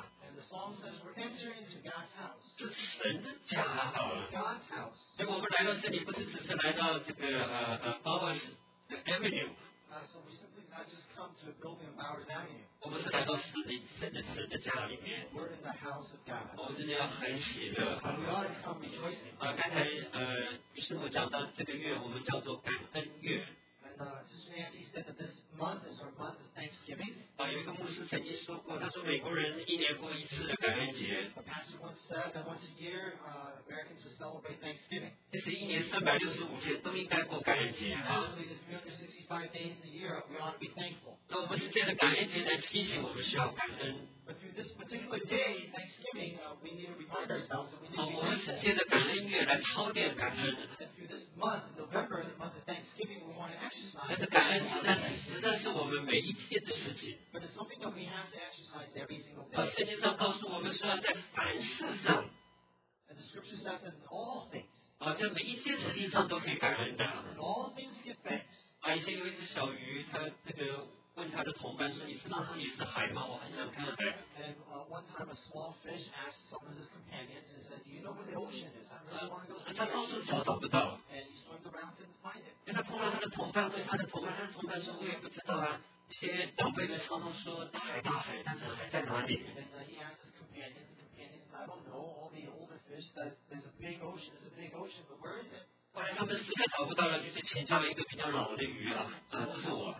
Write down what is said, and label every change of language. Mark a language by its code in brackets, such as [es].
[en] And the song says we're entering into God's house。 [zh] 这是神的家啊 [en] ！God's house。 [zh] 所以我们来到这里，不是只是来到这个Bowers Avenue。 [en] So we simply not just come to building Bowers Avenue。 [zh] 我们是来到神的家里面。 [en] We're in the house of God。 [zh] 我们今天要很喜乐。 [en] And we ought to come rejoicing。 [zh] 刚才于师傅讲到这个月，我们叫做感恩月。 [en] Sister Nancy said that this month is our month of Thanksgiving. [zh] 有一个牧师曾经说过，他说美国人一年过一次的感恩节。 [en] A pastor once said that once a year, Americans will celebrate Thanksgiving. [zh] 其实一年365天都应该过感恩节。 [en] Actually, the 365 days in the year, we ought to be thankful. [zh] 那我们是借着感恩节来提醒我们需要感恩。 [en] But through this particular day, Thanksgiving, we need to remind ourselves that we need to be thankful. [zh] 我们是借着感恩月来操练感恩。 [en] And through this month, November, the month of Thanksgiving, we want to actually. [zh] 但是感恩实在是我们每一天的事情。 [en] But it's something that we have to exercise every single day. [zh] 圣经上告诉我们说要在凡事上。 [en] And the scripture says that in all things. [zh] 在每一件事情上都可以感恩的。 [en] All things give thanks. [zh] 以前有一只小鱼，它这个问它的同伴说：“你知道它也是海吗？我很想看海。 [en] ”And one time a small fish asked some of his companions and said, "Do you know where the ocean is? I really want to go see." [zh] 它到处找，找不到。 [en] And he swam around and find it. [zh] 跟他碰到他的同伴，问他的同伴，他的同伴说：“我也不知道啊。” 些长辈们常常说：“大海，大海，但是海在哪里？” [en] And he asked his companions, the companions said, "I don't know. All the older fish says there's a big ocean. There's a big ocean, but where is it?" [zh] 后来他们实在找不到了，就去请教一个比较老的鱼啊，这不是我。